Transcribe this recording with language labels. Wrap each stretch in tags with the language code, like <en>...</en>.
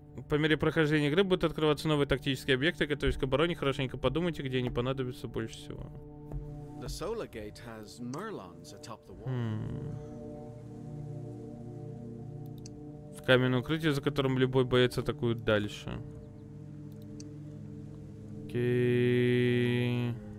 <ru>По мере прохождения игры будут открываться новые тактические объекты. Готовьтесь к обороне, хорошенько подумайте, где они понадобятся больше всего.</ru> <en>The Solar Gate has Merlons atop the wall.</en> <ru>Каменное укрытие, за которым любой боец атакует дальше. Окей.</ru>